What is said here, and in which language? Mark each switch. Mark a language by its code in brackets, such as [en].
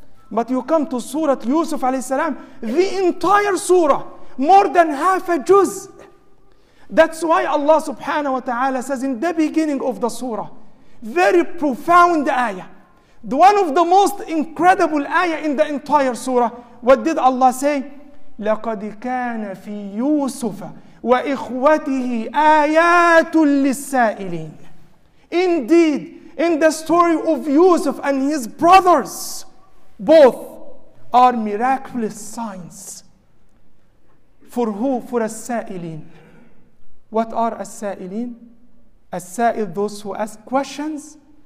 [en] But you come to Surah Yusuf alayhi salam, the entire surah, more than half a juz. That's why Allah subhanahu wa ta'ala says in the beginning of the surah, very profound ayah, one of the most incredible ayah in the entire surah. What did Allah say? [ar] لقد كان في يوسف وإخوته آيات للسائلين. [en] Indeed, in the story of Yusuf and his brothers, both are miraculous signs. For who? For السائلين. What are السائلين? السائل, those who ask questions.